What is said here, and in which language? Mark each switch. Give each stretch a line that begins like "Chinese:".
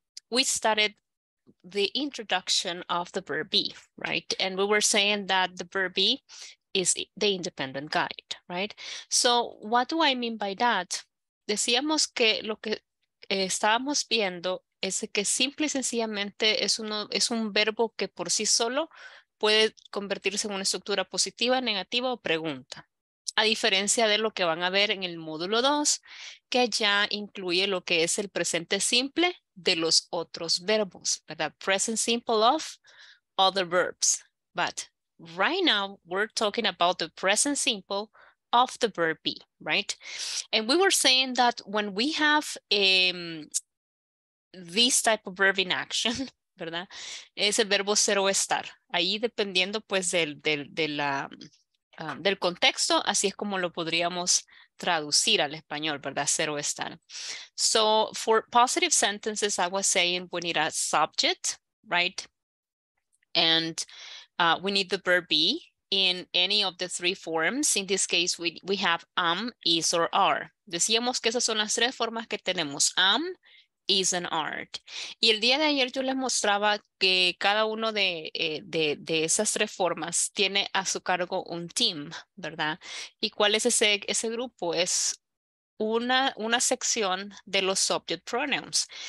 English: We started the introduction of the verb be, right? And we were saying that the verb be is the independent guide, right? So what do I mean by that?
Spanish: Decíamos que lo que estábamos viendo es que simple y sencillamente es un verbo que por sí solo puede convertirse en una estructura positiva, negativa o pregunta. A diferencia de lo que van a ver en el módulo 2, que ya incluye lo que es el presente simple de los otros verbos, ¿verdad?
English: Present simple of other verbs. But right now we're talking about the present simple of the verb be, right? And we were saying that when we have this type of verb in action,
Spanish: ¿verdad? Es el verbo ser o estar. Ahí dependiendo pues del contexto, así es como lo podríamos traducir al español, ¿verdad? Ser o estar.
English: So for positive sentences, I was saying we need a subject, right? And we need the verb be in any of the three forms. In this case, we have am, is, or are.
Spanish: Decíamos que esas son las tres formas que tenemos.
English: Am, is, and are.
Spanish: Y el día de ayer yo les mostraba que cada uno de esas tres formas tiene a su cargo un team, ¿verdad? ¿Y cuál es ese grupo? Es una sección de los subject pronouns.